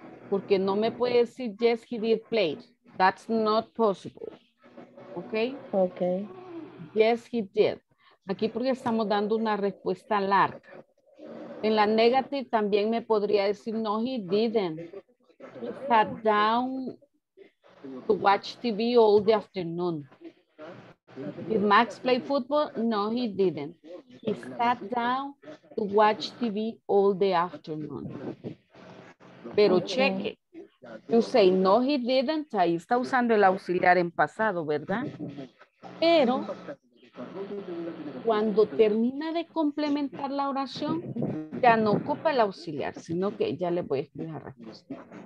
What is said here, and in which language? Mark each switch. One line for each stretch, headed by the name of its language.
Spanish: Porque no me puede decir
English: yes, he did play. That's not possible. ¿Ok? Ok. Yes, he did.
Spanish: Aquí porque estamos dando una respuesta larga. En la negative también me podría decir
English: no, he didn't. He sat down to watch TV all the afternoon. Did Max play football? No, he didn't. He sat down to watch TV all the afternoon.
Spanish: Pero cheque.
English: You say, no, he didn't.
Spanish: Ahí está usando el auxiliar en pasado, ¿verdad? Pero cuando termina de complementar la oración, ya no ocupa el auxiliar, sino que ya le voy a escribir la respuesta.